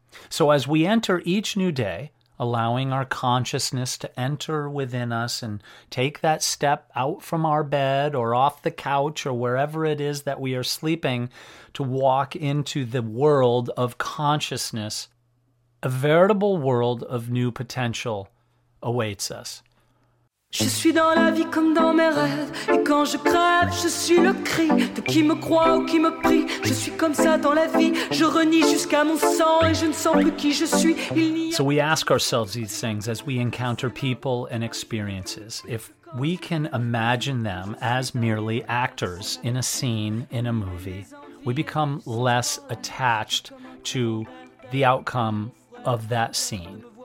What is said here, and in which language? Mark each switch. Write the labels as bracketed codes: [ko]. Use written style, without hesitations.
[en] So as we enter each new day, allowing our consciousness to enter within us and take that step out from our bed or off the couch or wherever it is that we are sleeping to walk into the world of consciousness, a veritable world of new potential awaits us. [fr] Je suis dans la vie comme dans mes rêves, et quand je crève, je suis le cri de qui me croit ou qui me prie. Je suis comme ça dans la vie, je renie jusqu'à mon sang et je ne sens plus qui je suis. [en] So we ask ourselves these things as we encounter people and experiences, if we can imagine them as merely actors in a scene in a movie, we become less attached to the outcome of that scene.